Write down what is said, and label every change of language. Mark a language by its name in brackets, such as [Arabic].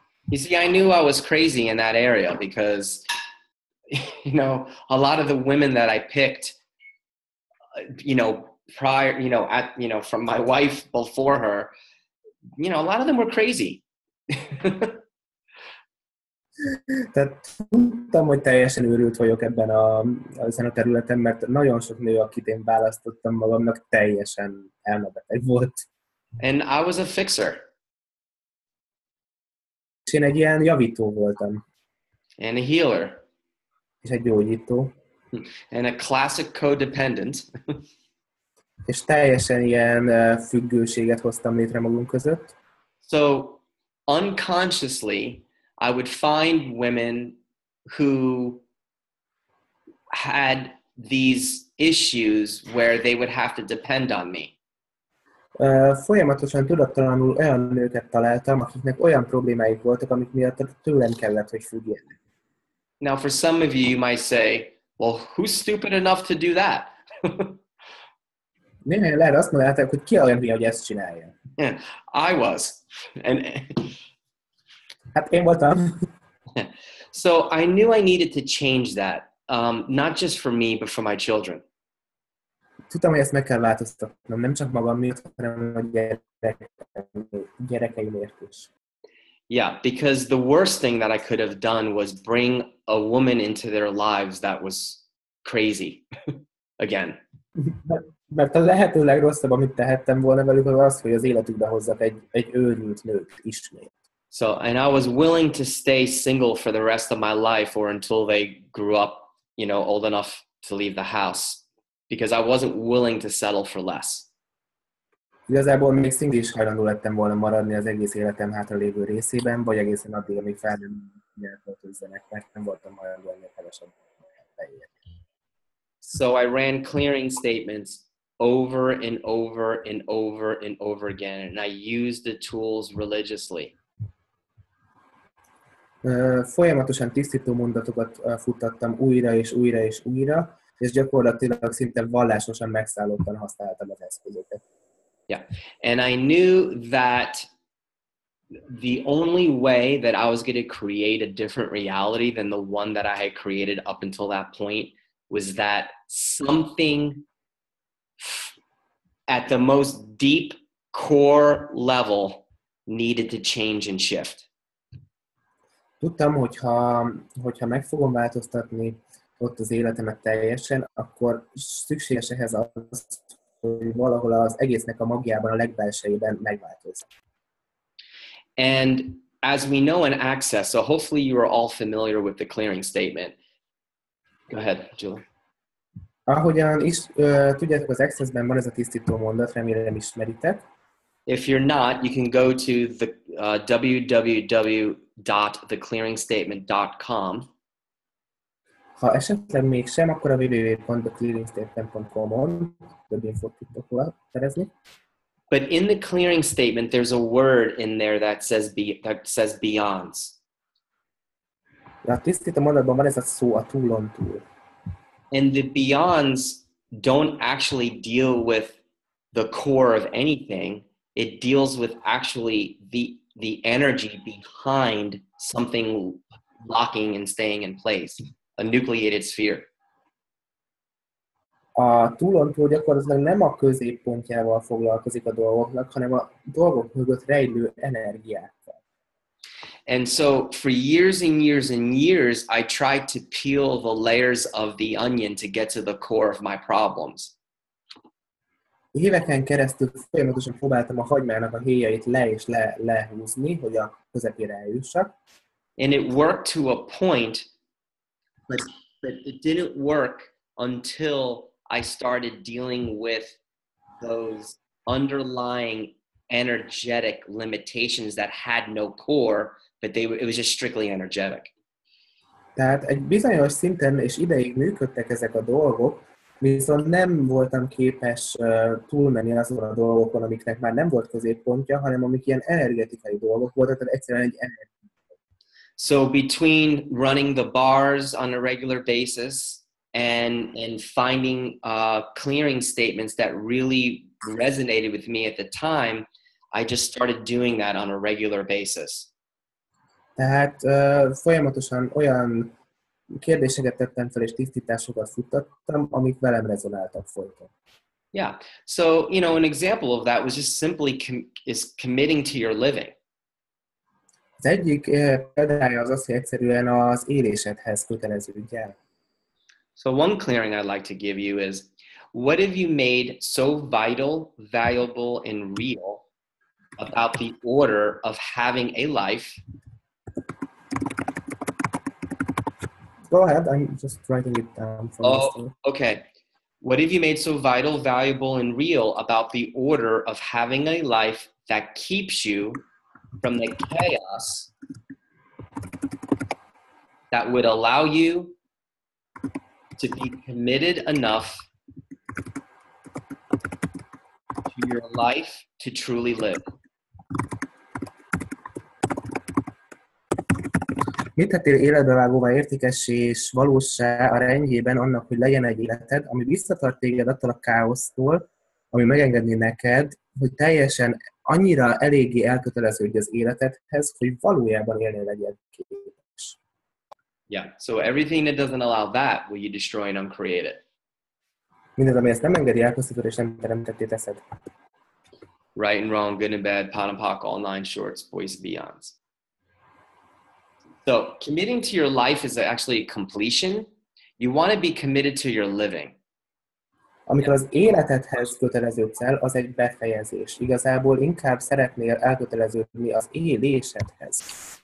[English] You see, I knew I was crazy in that area because, you know, a lot of the women that I picked, you know, prior, you know, at, you know, from my wife before her, you know, a lot of them were crazy. [Hungarian] Tehát tudtam, hogy teljesen őrült vagyok ebben a területen, mert nagyon sok nő, akit én választottam magamnak, teljesen elmebeteg volt. [English] And I was a fixer. [Hungarian] És én egy ilyen javító voltam. [English] And a healer. [Hungarian] És egy gyógyító. [English] And a classic codependent. [Hungarian] És teljesen ilyen függőséget hoztam létre magunk között. [English] So unconsciously, I would find women who had these issues where they would have to depend on me. [Hungarian] Folyamatosan tudattalanul olyan nőket találtam, akiknek olyan problémáik voltak, amik miatt tőlem kellett, hogy függjenek. [English] Now, for some of you, you might say, well, who's stupid enough to do that? [Hungarian] Néhány lehet azt mondani, hogy ki olyan, hogy ezt csinálja. [English] I was. And [Hungarian] hát én voltam. [English] So I knew I needed to change that, not just for me, but for my children. [Hungarian] Tudtam, hogy ezt meg kell változtatnom, nem csak magam miatt, hanem a gyerekeimért is. [English] Yeah, because the worst thing that I could have done was bring a woman into their lives that was crazy again. [Hungarian] Mert a lehető legrosszabb, amit tehettem volna velük, az, hogy az életükbe hozzak egy őrült nőt ismét. [English] So, and I was willing to stay single for the rest of my life or until they grew up, you know, old enough to leave the house, because I wasn't willing to settle for less. [Hungarian] Igazából még single is hajlandó lettem volna maradni az egész életem hátralévő részében, vagy egészen addig, amíg fel nem költözzenek, mert nem voltam hajlandó ennél kevesebb. [English] So I ran clearing statements over and over and over and over again, and I used the tools religiously. [Hungarian] Folyamatosan tisztító mondatokat futtattam újra és újra és újra, és gyakorlatilag szinte vallásosan megszállottan használtam az eszközöket. [English] Yeah, and I knew that the only way that I was going to create a different reality than the one that I had created up until that point was that something at the most deep core level needed to change and shift. [Hungarian] Tudtam, hogyha meg fogom változtatni ott az életemet teljesen, akkor szükséges ehhez az, hogy valahol az egésznek a magjában, a legbelsejében megváltozik. [English] And as we know in Access, so hopefully you are all familiar with the clearing statement. Go ahead, Gyula. [Hungarian] Ahogyan is tudjátok, az Access-ben van ez a tisztító mondat, remélem ismeritek. [English] If you're not, you can go to the www.theclearingstatement.com. [Hungarian] Ha esetleg mégsem, akkor a www.theclearingstatement.com-on több infót tudtok szerezni. [English] But in the clearing statement, there's a word in there that says beyonds. [Hungarian] A tisztító mondatban van ez a szó, a túlon túl. [English] And the beyonds don't actually deal with the core of anything. It deals with actually the energy behind something locking and staying in place, a nucleated sphere. [Hungarian] A túlontúl gyakorlatilag nem a középpontjával foglalkozik a dolgoknak, hanem a dolgok mögött rejlő energiákkal. [English] And so for years and years and years, I tried to peel the layers of the onion to get to the core of my problems. [Hungarian] Éveken keresztül folyamatosan próbáltam a hagymának a héjait lehúzni, hogy a közepére eljussak. [English] And it worked to a point, but it didn't work until I started dealing with those underlying energetic limitations that had no core, but it was just strictly energetic. [Hungarian] Tehát egy bizonyos szinten és ideig működtek ezek a dolgok, viszont nem voltam képes túlmenni azon a dolgokon, amiknek már nem volt középpontja, hanem amik ilyen energetikai dolgok voltak, tehát egyszerűen egy energetikai. [English] So between running the bars on a regular basis and finding clearing statements that really resonated with me at the time, I just started doing that on a regular basis. [Hungarian] Tehát folyamatosan olyan kérdéseket tettem fel, és tisztításokat futtattam, amik velem rezonáltak folyton. [English] Yeah, so, you know, an example of that was just simply is committing to your living. [Hungarian] Az egyik példája az az, hogy egyszerűen az élésedhez köteleződj el. [English] So one clearing I'd like to give you is, what have you made so vital, valuable, and real about the order of having a life? Go ahead, I'm just writing it down for myself. Oh, okay. What have you made so vital, valuable, and real about the order of having a life that keeps you from the chaos that would allow you to be committed enough to your life to truly live? [Hungarian] Mit tettél életbevágóvá, értékessé és valóssá a rendjében annak, hogy legyen egy életed, ami visszatart téged attól a káosztól, ami megengedni neked, hogy teljesen annyira eléggé elköteleződj az életedhez, hogy valójában élni legyen képes. [English] Yeah, so everything that doesn't allow that, will you destroy and uncreate it? [Hungarian] Mindez, ami ezt nem engedi, elpusztítod és nem teremtetté teszed. [English] Right and wrong, good and bad, pot and pock, all nine shorts, boys and beyonds. So, committing to your life is actually a completion. You want to be committed to your living. [Hungarian] Amikor az életedhez köteleződsz el, az egy befejezés. Igazából inkább szeretnél elköteleződni az élésedhez.